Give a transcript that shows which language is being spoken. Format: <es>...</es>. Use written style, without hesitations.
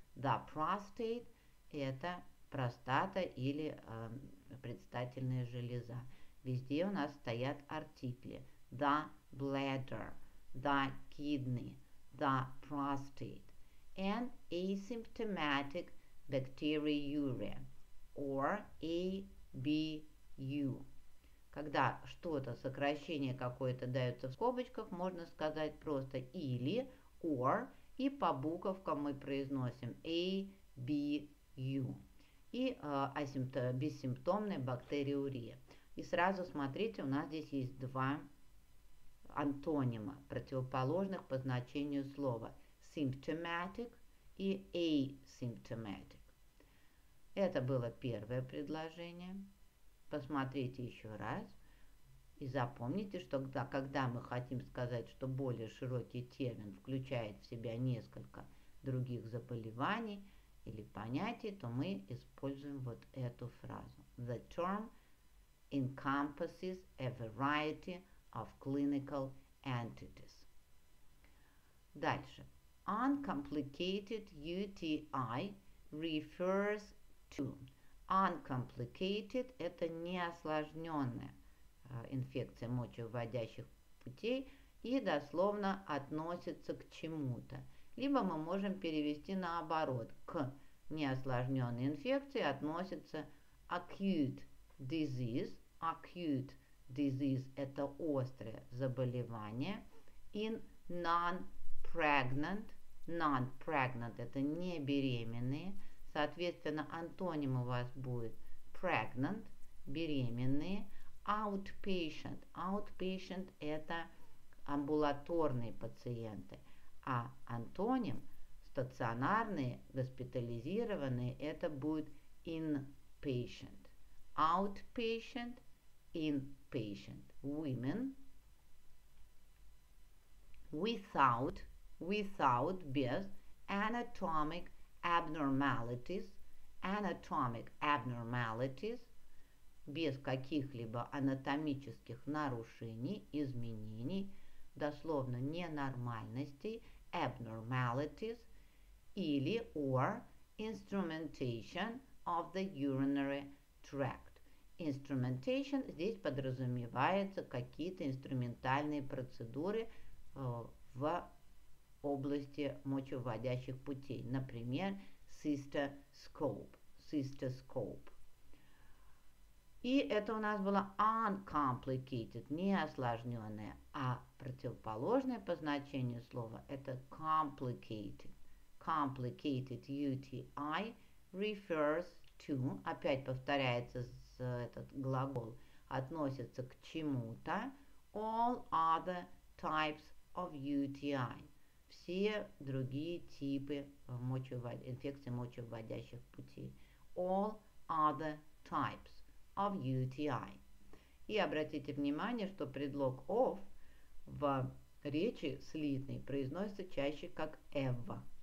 <ru>The prostate – это простата или предстательная железа. Везде у нас стоят артикли</ru> <en>«the bladder», the kidney, the prostate, and asymptomatic bacteriuria, or ABU.</en> <ru>Когда что-то, сокращение какое-то дается в скобочках, можно сказать просто или, or, и по буковкам мы произносим ABU. И бессимптомная бактериурия. И сразу смотрите, у нас здесь есть два антонима, противоположных по значению слова symptomatic и asymptomatic. Это было первое предложение. Посмотрите еще раз и запомните, что когда мы хотим сказать, что более широкий термин включает в себя несколько других заболеваний или понятий, то мы используем вот эту фразу.</ru> <en>The term encompasses a variety of clinical entities.</en> <ru>Дальше.</ru> <en>Uncomplicated UTI refers to.</en> <ru>Uncomplicated – это неосложненная инфекция мочевыводящих путей и дословно относится к чему-то. Либо мы можем перевести наоборот. К неосложненной инфекции относится acute disease. Acute disease – это острое заболевание.</ru> <en>In non-pregnant</en> <ru>Non-pregnant – это не беременные. Соответственно, антоним у вас будет pregnant – беременные. Outpatient – outpatient – это амбулаторные пациенты. А антоним – стационарные, госпитализированные – это будет inpatient.</ru> <en>Outpatient – inpatient. Women – without – without,</en> <ru>без,</ru> <en>anatomic abnormalities, anatomic abnormalities,</en> <ru>без каких-либо анатомических нарушений, изменений, дословно ненормальностей,</ru> <en>abnormalities,</en> <ru>или</ru> <en>or instrumentation of the urinary tract.</en> <ru>Instrumentation здесь подразумевается какие-то инструментальные процедуры в области мочевыводящих путей, например, cystoscope, cystoscope. И это у нас было uncomplicated, неосложненное, а противоположное по значению слова это complicated.</ru> <en>Complicated UTI refers to,</en> <ru>опять повторяется этот глагол, относится к чему-то,</ru> <en>all other types of UTI.</en> <ru>Все другие типы инфекции мочевыводящих путей.</ru> <en>All other types of UTI.</en> <ru>И обратите внимание, что предлог of в речи слитной произносится чаще как ever.</ru>